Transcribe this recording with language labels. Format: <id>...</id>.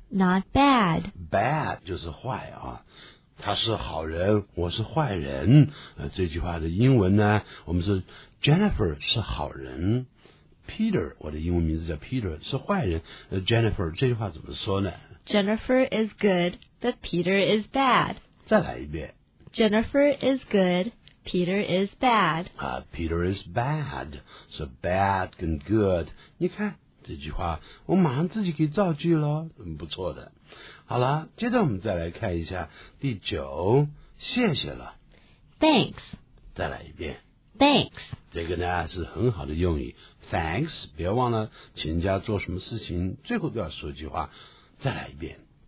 <en>，Not bad。</en> <zh>Bad 就是坏啊，他是好人，我是坏人。这句话的英文呢，我们是 Jennifer 是好人， Peter 我的英文名字叫 Peter 是坏人。 Jennifer 这句话怎么说呢？</zh> <en>Jennifer is good, but Peter is bad.</en> <zh>再来一遍。</zh> <en>Jennifer is good, Peter is bad. Peter is bad.</en> <zh>So bad 跟 good， 你看这句话，我马上自己可以造句了，不错的。好了，接着我们再来看一下第九，谢谢了。</zh> <en>Thanks。</en> <zh>再来一遍。</zh> <en>Thanks。</en> <zh>这个呢是很好的用语 ，Thanks。别忘了，请人家做什么事情，最后都要说一句话，再来一遍。</zh>